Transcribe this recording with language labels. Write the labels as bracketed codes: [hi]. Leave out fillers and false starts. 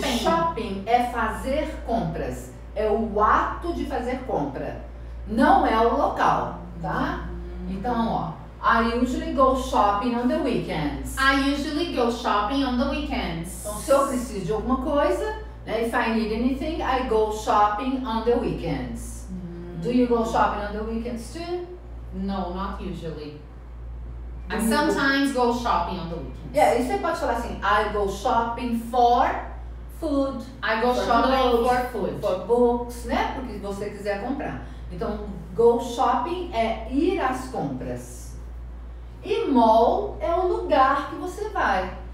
[pt] Gente, shopping é fazer compras. É o ato de fazer compra. Não é o local, tá? Então, ó. [en] I usually go shopping on the weekends. I usually go shopping on the weekends. [pt] Então, se eu preciso de alguma coisa, né? [en] If I need anything, I go shopping on the weekends. Do you go shopping on the weekends too? No, not usually. I sometimes go shopping on the weekends. Yeah, [pt] e você pode falar assim, [en] I go shopping for food. I go shopping for food. For books, [pt] né? Porque você quiser comprar. Então, go shopping é ir às compras. E mall é o lugar que você vai.